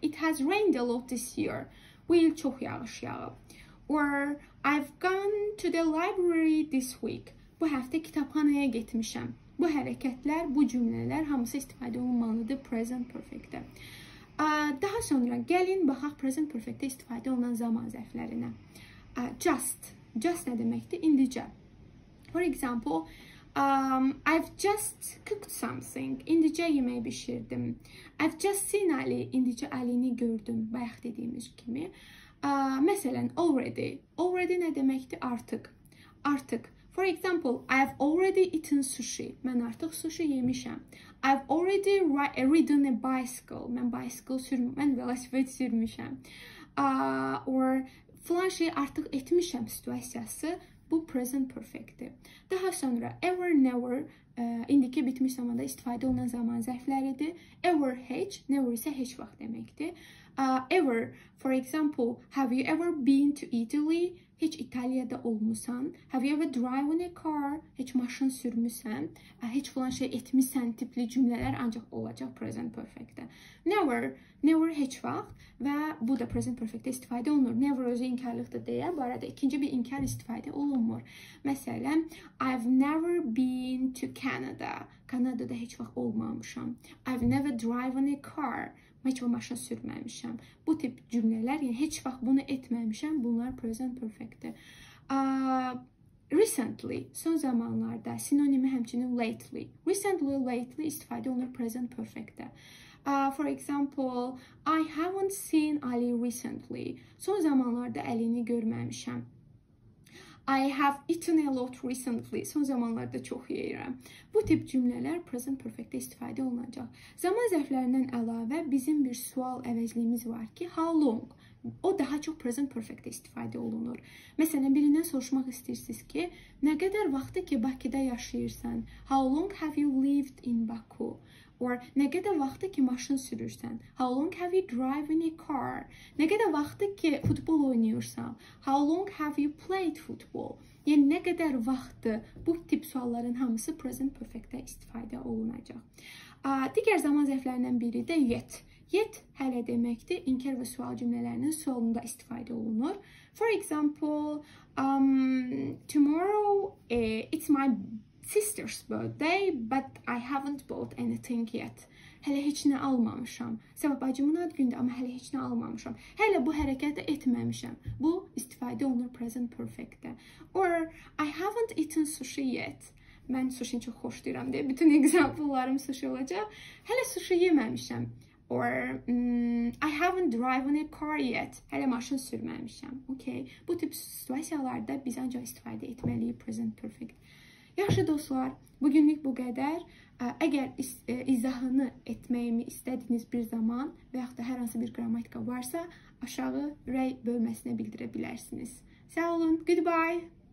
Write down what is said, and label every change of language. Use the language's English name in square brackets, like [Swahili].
[English] It has rained a lot this year. [Azerbaijani] Bu il çox yağış yağıb. [English] Or, I've gone to the library this week. [Azerbaijani] Bu həftə kitabxanaya getmişəm. Bu hərəkətlər, bu cümlələr hamısı istifadə olunmalıdır present perfect-də. Daha sonra gəlin, baxaq present perfect-də istifadə olunan zaman zərflərinə. Just. Just nə deməkdir? İndicə. [English] For example, I've just cooked something. [Azerbaijani] İndicə yemək bişirdim. [English] I've just seen Ali. [Azerbaijani] İndicə Alini gördüm, bayaq dediyimiz kimi. Məsələn, already. Already nə deməkdir? Artıq. Artıq. [English] For example, I've already eaten sushi. [Azerbaijani] Mən artıq sushi yemişəm. [English] I've already ridden a bicycle. [Azerbaijani] Mən velosiped sürmüşəm. Or filan şey artıq etmişəm situasiyası. Bu present perfect-dir. Daha sonra ever, never indiki bitmiş zamanda istifadə olunan zaman zərfləridir. Ever, heç. Never isə heç vaxt deməkdir. [English] Ever, for example, have you ever been to Italy? [Azerbaijani] Heç İtaliyada olmuşsan. [English] Have you ever driven a car? [Azerbaijani] Heç maşın sürmüsən. Heç filan şey etmişsən tipli cümlələr ancaq olacaq present perfect-də. Never, never heç vaxt. Və bu da present perfect-də istifadə olunur. Never özü inkarlıqdır deyə. Bu arada ikinci bir inkar istifadə olunmur. Məsələn, [English] I've never been to Canada. [Azerbaijani] Kanada da heç vaxt olmamışam. [English] I've never driven a car. [Azerbaijani] heç vaxt maşın sürməmişəm. Bu tip cümlələr, yəni heç vaxt bunu etməmişəm, bunlar present perfect-dir. Recently, son zamanlarda, sinonimi həmçinin lately. Recently, lately istifadə olunur present perfect-də. [English] For example, I haven't seen Ali recently. [Azerbaijani] Son zamanlarda Əlini görməmişəm. [English] I have eaten a lot recently. [Azerbaijani] Son zamanlarda çox yeyirəm. Bu tip cümlələr present perfect-də istifadə olunacaq. Zaman zərflərindən əlavə bizim bir sual əvəzliyimiz var ki, how long? O daha çox present perfect-də istifadə olunur. Məsələn, birindən soruşmaq istəyirsiniz ki, nə qədər vaxtdır ki, Bakıda yaşayırsan? [English] How long have you lived in Baku? [Azerbaijani] Or nə qədər vaxtdır ki, maşın sürürsən? [English] How long have you driven a car? [Azerbaijani] Nə qədər vaxtdır ki, futbol oynayırsan? [English] How long have you played football? [Azerbaijani] Yəni nə qədər vaxtdır? Bu tip sualların hamısı present perfect-də istifadə olunacaq. Digər zaman zərflərindən biri də yet. Yet hələ deməkdir. İnkar və sual cümlələrinin sonunda istifadə olunur. [English] For example, tomorrow it's my sister's birthday, but I haven't bought anything yet. [Azerbaijani] Hələ heç nə almamışam. Sabah bacımın ad günüdür, amma hələ heç nə almamışam. Hələ bu hərəkəti etməmişəm. Bu istifadə olunur present perfect-də. [English] Or I haven't eaten sushi yet. [Azerbaijani] Mən sushini çox xoşlayıram deyə bütün ekzamplarım sushi olacaq. Hələ sushi yeməmişəm. [English] Or I haven't driven a car yet. [Azerbaijani] Hələ maşın sürməmişəm. Okay. Bu tip situasiyalarda biz ancaq istifadə etməliyik present perfect. Yaxşı dostlar, bugünlük bu qədər. Əgər izahını etməyimi istədiyiniz bir zaman və yaxud da hər hansı bir qrammatika varsa, aşağı rəy bölməsinə bildirə bilərsiniz. Sağ olun. Goodbye.